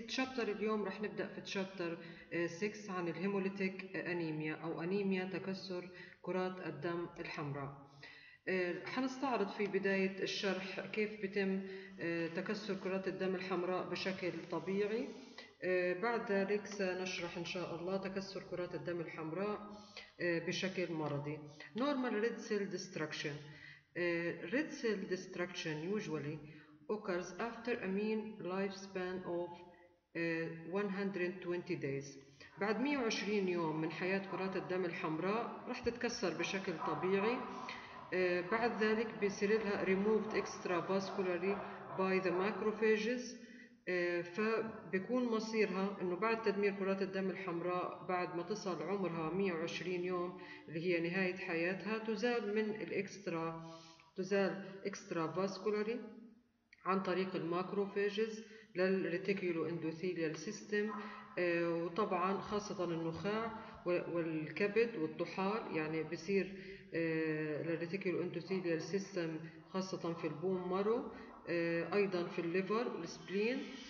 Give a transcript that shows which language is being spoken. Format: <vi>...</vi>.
<ar>تشابتر اليوم راح نبدأ في تشابتر 6 عن الهيموليتيك أنيميا أو أنيميا تكسر كرات الدم الحمراء. حنستعرض في بداية الشرح كيف بتم تكسر كرات الدم الحمراء بشكل طبيعي. بعد ذلك سنشرح إن شاء الله تكسر كرات الدم الحمراء بشكل مرضي.</ar> <en>Normal red cell destruction. Red cell destruction usually occurs after a mean lifespan of 120 days.</en> <ar>بعد 120 يوم من حياة كرات الدم الحمراء رح تتكسر بشكل طبيعي. بعد ذلك بيصير لها</ar> <en>removed extravascularly by the macrophages.</en> <ar>فبيكون مصيرها انه بعد تدمير كرات الدم الحمراء بعد ما تصل عمرها 120 يوم اللي هي نهاية حياتها تزال من الاكسترا تزال اكسترا فاسكولاري عن طريق الماكروفاجز للريتيكيولو اندوثيليال سيستم وطبعا خاصة النخاع والكبد والطحال يعني بيصير للريتيكيولو اندوثيليال سيستم خاصة في البوم مارو أيضا في الليفر والسبلين.</ar>